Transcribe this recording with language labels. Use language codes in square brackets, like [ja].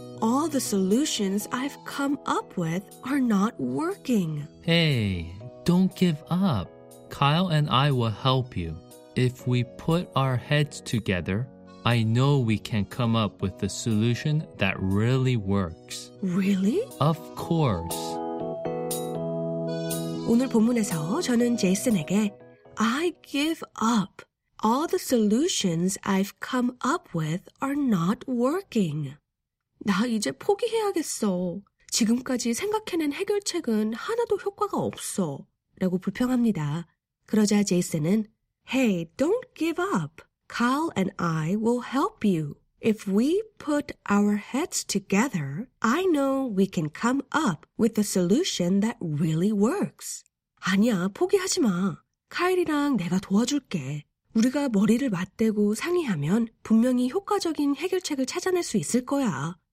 [en] All the solutions I've come up with are not working. Hey, don't give up. Kyle and I will help you. If we put our heads together, I know we can come up with a solution that really works. Really? Of course. [ko] 오늘 본문에서 저는 제이슨에게 [en] I give up. All the solutions I've come up with are not working. [ko] 나 이제 포기해야겠어. 지금까지 생각해낸 해결책은 하나도 효과가 없어. 라고 불평합니다. 그러자 제이슨은 [en] Hey, don't give up. Kyle and I will help you. If we put our heads together, I know we can come up with a solution that really works. [ko] 아니야, 포기하지 마. 카일이랑 내가 도와줄게. 우리가 머리를 맞대고 상의하면 분명히 효과적인 해결책을 찾아낼 수 있을 거야.